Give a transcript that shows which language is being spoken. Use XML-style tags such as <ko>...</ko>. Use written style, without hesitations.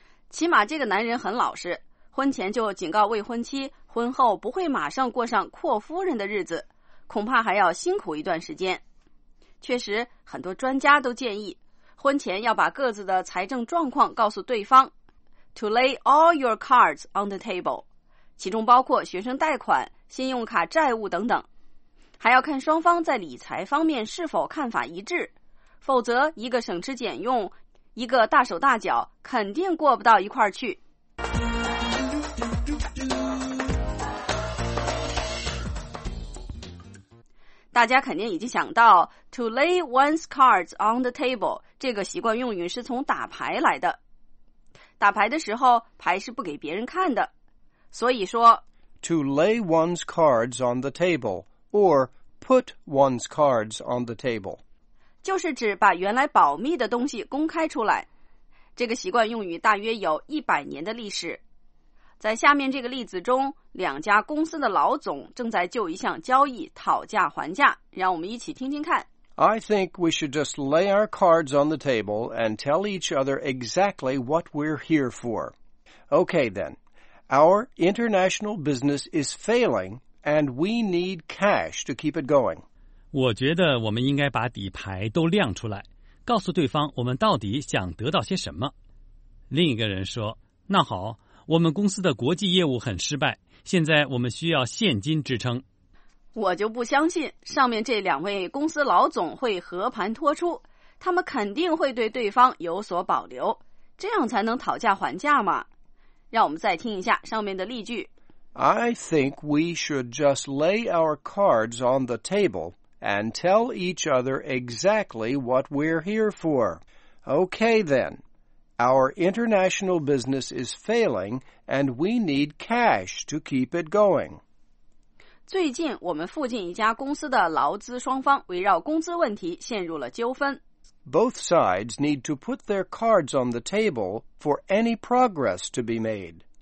<zh>起码这个男人很老实，婚前就警告未婚妻，婚后不会马上过上阔夫人的日子，恐怕还要辛苦一段时间。确实，很多专家都建议婚前要把各自的财政状况告诉对方。</zh> <en>To lay all your cards on the table,</en> <zh>其中包括学生贷款、信用卡债务等等，还要看双方在理财方面是否看法一致，否则一个省吃俭用，一个大手大脚，肯定过不到一块儿去。大家肯定已经想到</zh> <en>To lay one's cards on the table</en> <zh>这个习惯用语是从打牌来的。打牌的时候牌是不给别人看的，所以说</zh> <en>To lay one's cards on the table or put one's cards on the table</en> <zh>就是指把原来保密的东西公开出来。这个习惯用语大约有100年的历史。在下面这个例子中，两家公司的老总正在就一项交易讨价还价，让我们一起听听看。</zh> <en>I think we should just lay our cards on the table and tell each other exactly what we're here for. Okay then, our international business is failing and we need cash to keep it going.</en> <zh>我觉得我们应该把底牌都亮出来，告诉对方我们到底想得到些什么。另一个人说，那好，我们公司的国际业务很失败，现在我们需要现金支撑。我就不相信上面这两位公司老总会和盘托出，他们肯定会对对方有所保留，这样才能讨价还价嘛。让我们再听一下上面的例句。</zh> <en>I think we should just lay our cards on the table and tell each other exactly what we're here for. Okay, then. Our international business is failing and we need cash to keep it going.</en> <zh>最近我们附近一家公司的劳资双方围绕工资问题陷入了纠纷。</zh> <en>Both sides need to put their cards on the table for any progress to be made.</en>